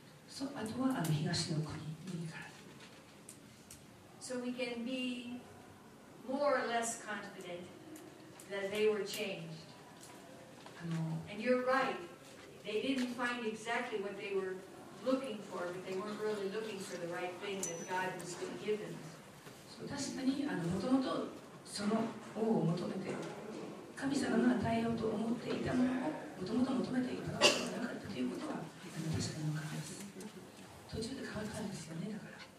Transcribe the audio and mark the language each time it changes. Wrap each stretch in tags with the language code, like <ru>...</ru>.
<ja>そう、あとはあの東の国にから。</ja> <en>So we can be more or less confident that they were changed. And you're right. They didn't find exactly what they were looking for, but they weren't really looking for the right thing that God was going to give them.</en> <ja>確かにもともとその王を求めて神様が与えようと思っていたものをもともと求めていたわけではなかったということは確かに分かります。途中で変わったんですよね。だから</ja>